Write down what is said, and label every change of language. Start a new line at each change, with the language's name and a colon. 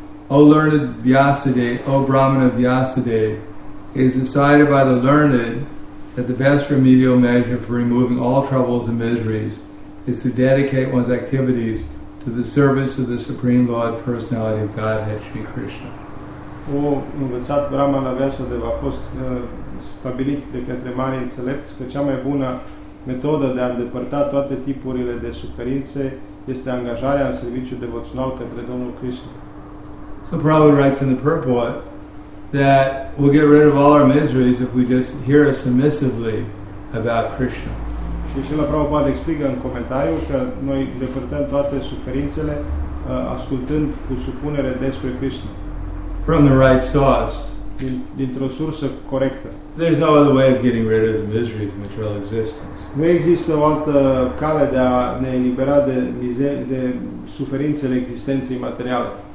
English: O learned Vyasadeva, O Brahmana Vyasadeva, it is decided by the learned that the best remedial measure for removing all troubles and miseries is to dedicate one's activities to the service of the Supreme Lord Personality of Godhead, Sri Krishna.
Romanian: O învățat Brahmana Vyasadeva a fost stabilit de către mari înțelepți că cea mai bună metodă de a îndepărta toate tipurile de suferințe este angajarea în serviciu devoțional către Domnul Krishna.
English: So Prabhupada writes in the purport that we'll get rid of all our miseries if we just hear submissively about Krishna.
Romanian: Și Srila Prabhupada explică în comentariu că noi îndepărtăm toate suferințele ascultând cu supunere despre Krishna.
English: From the right source.
Romanian: Dintr-o sursă corectă.
English: There's no other way of getting rid of the miseries of material existence.
Romanian: Nu există o altă cale de a ne elibera de suferințele existenței materiale.